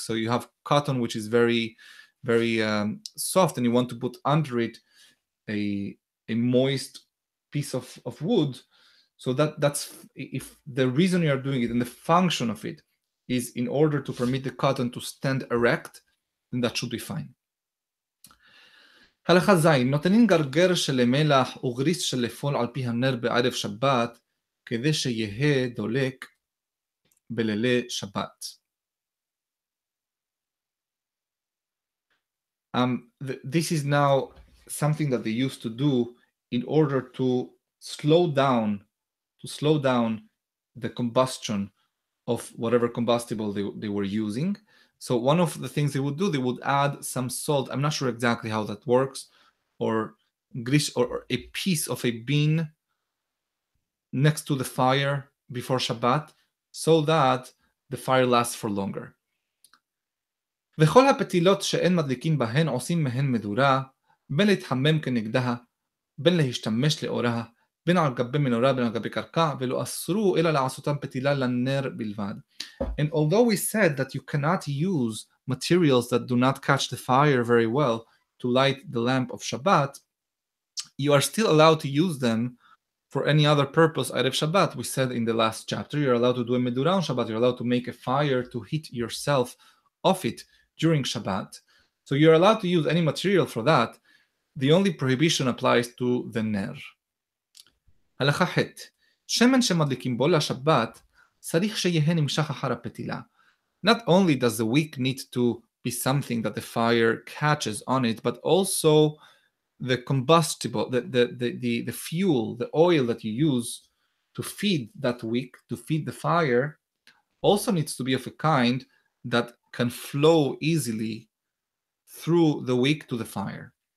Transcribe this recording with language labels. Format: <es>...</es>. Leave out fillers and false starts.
<en>So you have cotton, which is very, very soft, and you want to put under it a moist piece of wood. So that's if the reason you are doing it and the function of it is in order to permit the cotton to stand erect, then that should be fine.</en> <he>הלכה זי, נותנים גרגר של מלח וגריס של לפול על פי הנר בערב שבת, כדי שיהיה דולק בלילי שבת.</he> <en>This is now something that they used to do in order to slow down the combustion of whatever combustible they were using. So one of the things they would do, they would add some salt. I'm not sure exactly how that works, or grish, or a piece of a bean next to the fire before Shabbat, so that the fire lasts for longer.</en> <he>וכל הפתילות שאין מדליקים בהן עושים מהן מדורה, בין להתחמם כנגדה, בין להשתמש לאורה, בין על גבי מנורה, בין על גבי קרקע, ולא אסרו אלא לעשותם פתילה לנר בלבד.</he> <en>And although we said that you cannot use materials that do not catch the fire very well to light the lamp of Shabbat, you are still allowed to use them for any other purpose, Erev Shabbat. We said in the last chapter, you're allowed to do a medurah on Shabbat, you're allowed to make a fire to heat yourself off it during Shabbat. So you're allowed to use any material for that. The only prohibition applies to the ner.</en> <he>הלכה ח' שמן שמדליקים בו לשבת צריך שיהיה נמשך אחר הפתילה.</he> <en>Not only does the wick need to be something that the fire catches on it, but also the combustible, the fuel, the oil that you use to feed that wick, to feed the fire, also needs to be of a kind that can flow easily through the wick to the fire.</en>